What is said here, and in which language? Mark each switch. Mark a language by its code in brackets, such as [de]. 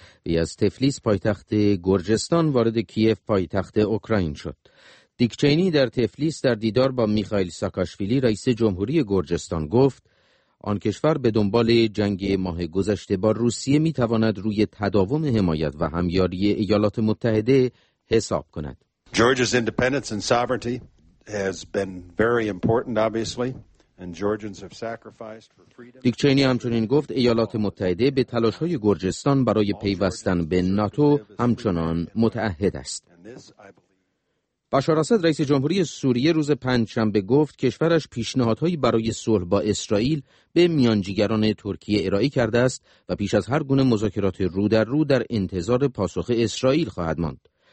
[fa] وی از تفلیس پایتخت گرجستان وارد کیف پایتخت اوکراین شد. دیک چینی در تفلیس در دیدار با میخائیل ساکاشویلی رئیس جمهوری گرجستان گفت آن کشور به دنبال جنگ ماه گذشته با روسیه می تواند روی تداوم حمایت و همیاری ایالات متحده حساب کند. [en] Georgia's independence and sovereignty has been very important obviously and Georgians have sacrificed for freedom. [fa] دیک چینی همچنین گفت ایالات متحده به تلاش‌های گرجستان برای پیوستن به ناتو همچنان متعهد است. بشار اسد رئیس جمهوری سوریه روز پنجشنبه گفت کشورش پیشنهادهایی برای صلح با اسرائیل به میانجیگران ترکیه ارائه کرده است و پیش از هر گونه مذاکرات رو در رو در انتظار پاسخ اسرائیل خواهد ماند.